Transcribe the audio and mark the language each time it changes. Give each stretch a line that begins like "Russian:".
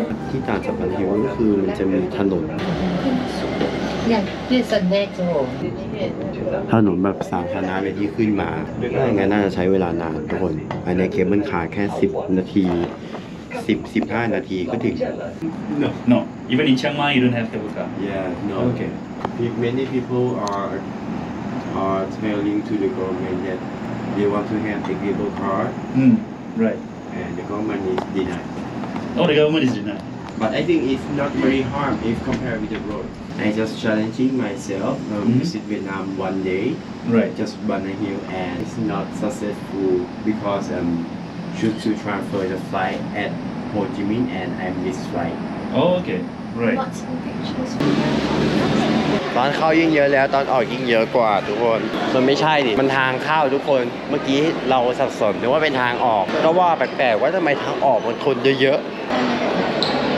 Thai: ที่ต่างจากบันเทิงก็คือมันจะมีถนนถนนแบบสาธารณะเลยที่ขึ้นมาถ้าอย่างนั้นน่าจะใช้เวลานานทุกคนอันนี้เคเบิลคาร์แค่10นาที10-15นาทีก็ถึง
English: No even in Chiang Mai you don't have cable car Yeah no okay many people are telling to the government that they want to have the cable car right and the government is denied Oh, the government is denied. But I think it's not very hard if compared with the road. I'm just challenging myself to visit Vietnam one day. Right. Just Banna Hill and it's not successful because I should to transfer the flight at Ho Chi Minh and I missed flight. Oh, okay. Right.
Thai: ตอนเข้ายิ่งเยอะแล้วตอนออกยิ่งเยอะกว่าทุกคนมันไม่ใช่ดิมันทางเข้าทุกคนเมื่อกี้เราสับสนนึกว่าเป็นทางออกก็ว่าแปลกๆว่าทำไมทางออกมันคนเยอะๆ